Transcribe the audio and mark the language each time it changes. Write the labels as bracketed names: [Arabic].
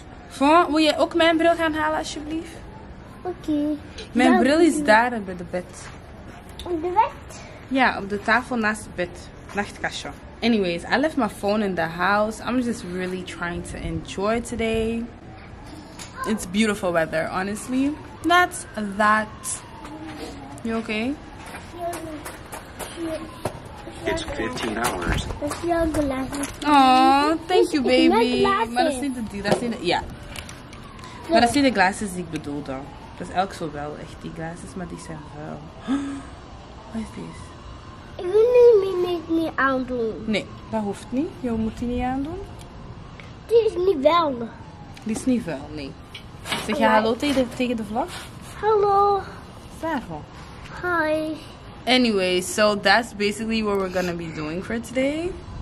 [Dutch] Von, wil je ook mijn bril gaan halen, alsjeblieft? Oké. Mijn bril is daar bij de bed. Op de bed? Ja, op de tafel naast het bed. Nachtkastje. [English] Anyways, I left my phone in the house. I'm just really trying to enjoy today. It's beautiful weather, honestly. That's that. You okay? It's 15 hours. Aww, thank you, baby. [Dutch] Maar dat zijn de glazen. Ja. Maar dat zijn de glazen die ik bedoelde. Dat is elk zo wel, echt die glazen, maar die zijn vuil. Ik wil niet aandoen. Nee, dat hoeft niet. Je moet die niet aandoen. Die is niet vuil. Die is niet vuil, nee. Zeg je hallo tegen de vlag? Hallo. Zeggen. [English] Hi. Anyway, so that's basically what we're gonna be doing for today.